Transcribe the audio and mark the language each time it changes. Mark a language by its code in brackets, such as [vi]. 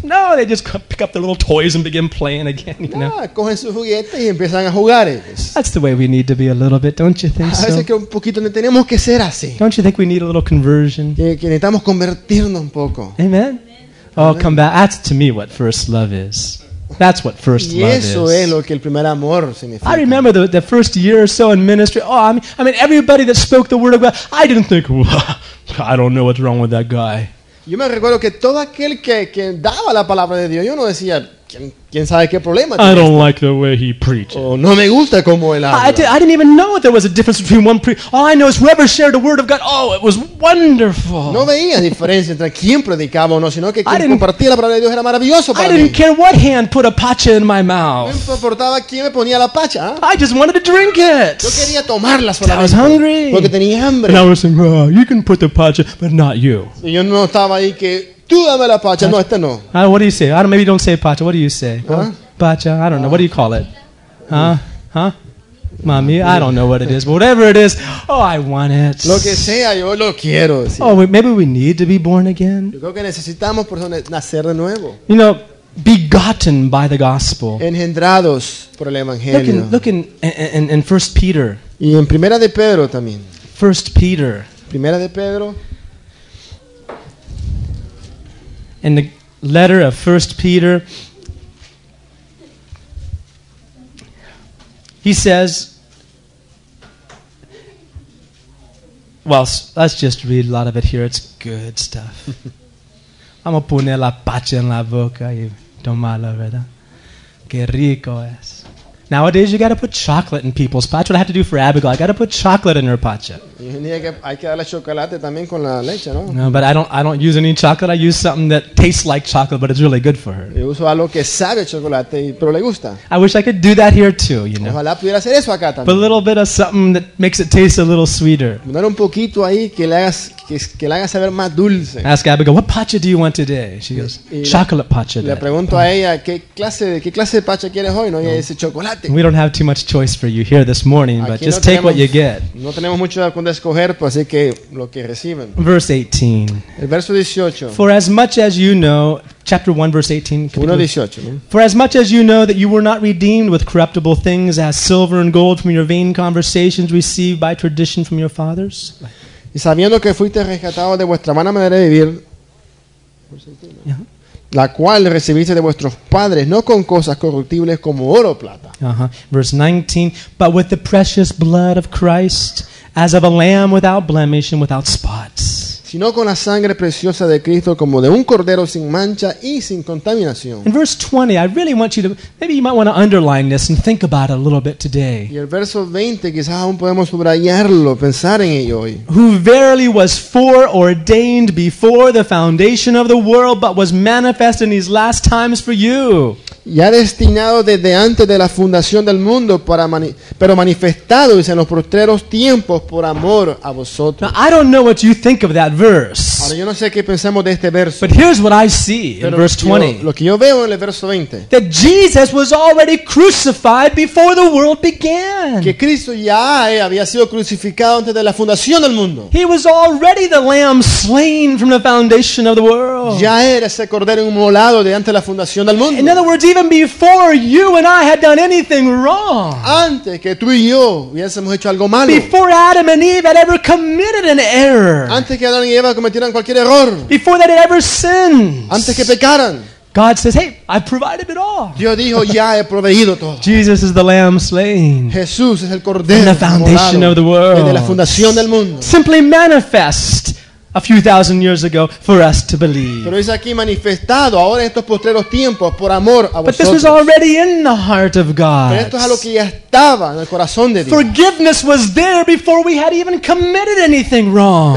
[en] No, they just pick up their little toys and begin playing again, you know. [es] Cogen sus juguetes y empiezan a jugar ellos. [en] That's the way we need to be a little bit, don't you think so? [es] A veces que un poquito tenemos que ser así. [en] Don't you think we need a little conversion? [es] Que necesitamos convertirnos un poco. [en] Amen. Oh, come back. That's to me what first love is. That's what first love is. [es] Y eso es lo que el primer amor significa. [en] I remember the first year or so in ministry. Oh, I mean, everybody that spoke the word of God, I didn't think, I don't know what's wrong with that guy. [es] Yo me recuerdo que todo aquel que daba la palabra de Dios, yo no decía, ¿quién sabe qué problema tiene? [en] I don't like the way he preaches. [es] Oh, no me gusta cómo él habla. [en] I didn't even know that there was a difference between one preacher. All I know is whoever shared the word of God, oh, it was wonderful. [es] No veía diferencia entre quién predicaba o no, sino que quien compartía la palabra de Dios era maravilloso para mí. [en] I didn't care what hand put a pacha in my mouth. [es] No importaba quién me ponía la pacha. [en] I just wanted to drink it. [es] Yo quería tomarla solamente. [en] I was hungry. [es] Porque tenía hambre. [en] And I was saying, oh, you can put the pacha, but not you. [es] Y yo no estaba ahí que... Tú dame la pacha. No, este no. [en] What do you say? Maybe don't say pacha. What do you say? Huh? Pacha. I don't know. What do you call it? Huh? Mami, I don't know what it is. But whatever it is, oh, I want it. [es] Lo que sea, yo lo quiero. Sí. [en] Oh, maybe we need to be born again. [es] Yo creo que necesitamos por eso nacer de nuevo. [en] You know, begotten by the gospel. [es] Engendrados por el evangelio. [en] Look in 1 Peter. [es] Y en Primera de Pedro también. [en] 1 Peter. [es] Primera de Pedro. [en] In the letter of 1 Peter, he says, well, let's just read a lot of it here. It's good stuff. [es] Vamos a poner la pacha en la boca y tomarla, ¿verdad? Qué rico es. [en] Nowadays, you got to put chocolate in people's pacha. That's what I have to do for Abigail. I got to put chocolate in her pacha. No, but I don't use any chocolate. I use something that tastes like chocolate, but it's really good for her. I wish I could do that here too, you know. Put a little bit of something that makes it taste a little sweeter. Ask Abigail, what pacha do you want today? She goes, chocolate pacha. [es] Le pregunto a ella, ¿qué clase de pacha quieres hoy? No, ella dice, chocolate. [en] We don't have too much choice for you here this morning, but just take what you get. [es] No tenemos mucho con escoger, pues así que lo que reciben. [en] Verse 18. [es] El verso 18. [en] For as much as you know, chapter 1, verse 18. [es] 1:18. [en] For as much as you know that you were not redeemed with corruptible things as silver and gold from your vain conversations received by tradition from your fathers. [es] Y sabiendo que fuiste rescatado de vuestra vana manera de vivir, la cual recibiste de vuestros padres, no con cosas corruptibles como oro o plata. [en] Verse 19, but with the precious blood of Christ, as of a lamb without blemish and without spots. [es] Sino con la sangre preciosa de Cristo como de un cordero sin mancha y sin contaminación. [en] In verse 20, I really want you to, maybe you might want to underline this and think about it a little bit today. [es] Y el verso 20, quizás aún podemos subrayarlo, pensar en ello hoy. [en] Who verily was foreordained before the foundation of the world, but was manifest in these last times for you. [es] Ya destinado desde antes de la fundación del mundo, pero manifestado en los postreros tiempos por amor a vosotros. [en] Now, I don't know what you think of that verse. [es] Ahora, yo no sé qué pensamos de este verso. [en] But here's what I see in verse 20. [es] Lo que yo veo en el verso 20. [en] That Jesus was already crucified before the world began. [es] Que Cristo ya había sido crucificado antes de la fundación del mundo. [en] He was already the lamb slain from the foundation of the world. [es] Ya era ese cordero inmolado de antes de la fundación del mundo. [en] In other words, even before you and I had done anything wrong, [es] antes que tú y yo hubiésemos hecho algo malo, [en] before Adam and Eve had ever committed an error, [es] antes que Adán y Eva cometieran cualquier error, [en] before they had ever sinned, [es] antes que pecaran, [en] God says, hey, I provided it all. [es] Dios dijo, ya he proveído todo. [en] Jesus is the lamb slain. [es] Jesús es el cordero [en] from the foundation of the world. [es] Desde la fundación del mundo. [en] Simply manifest a few thousand years ago for us to believe. [es] Pero es aquí manifestado ahora en estos postreros tiempos por amor a vosotros. [en] But this was already in the heart of God. [es] Pero esto es algo que ya estaba en el corazón de Dios. [en] Forgiveness was there before we had even committed anything wrong.